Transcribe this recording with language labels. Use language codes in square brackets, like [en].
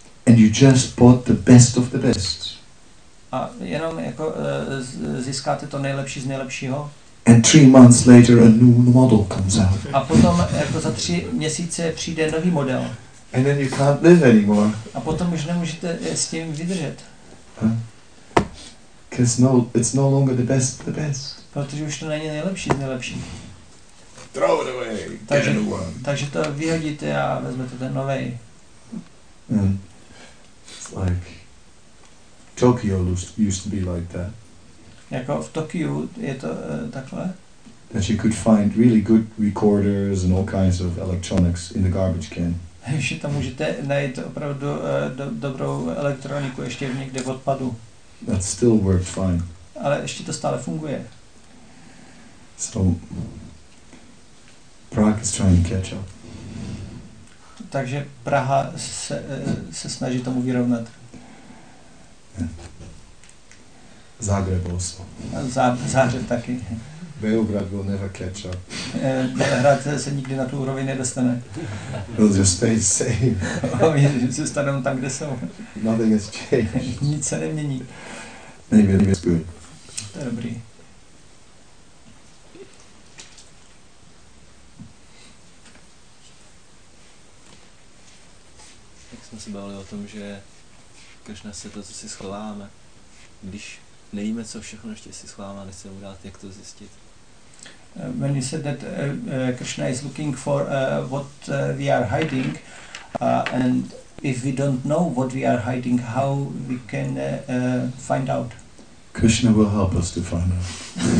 [en] And you just bought the best of the best. [cs] A jenom jako získáte to nejlepší z nejlepšího. [en] And 3 months later a new model comes out. [cs] A potom jako za 3 měsíce přijde nový model. [en] And then you can't live anymore. [cs] A potom už nemůžete s tím vydržet. [en] Because no, it's no longer the best of the best. [cs] Protože už to není nejlepší z nejlepších. [en] Throw it away, get a new one. [cs] Takže to vyhodíte a vezmete ten novej. [en] It's like Tokyo used to be like that. [cs] Jako v Tokiu je to takhle. [en] That you could find really good recorders and all kinds of electronics in the garbage can. [cs] Že tam můžete najít opravdu dobrou elektroniku ještě někde v odpadu. [en] That still worked fine. [cs] Ale ještě to stále funguje. [en] So Prague is trying to catch up. [cs] Takže Praha se snaží tomu vyrovnat. [en] Zagreb also. [cs] Zagreb taky. [en] Beograd will never catch up. [cs] Beograd se nikdy na tu úroveň nedostane. [en] Will just stay the same. [cs] Zůstanou tam, kde jsou. [en] Nothing has changed. [cs] Nic se nemění. [en] Maybe it's good. [cs] To je dobrý. Jak jsme se bavili o tom, že Krishna se to, co si schováme, když nevíme, co všechno ještě si schováme, nechce udělat, jak to zjistit. [en] When you said that Krishna is looking for what we are hiding, and if we don't know what we are hiding, how we can find out? Krishna will help us to find out.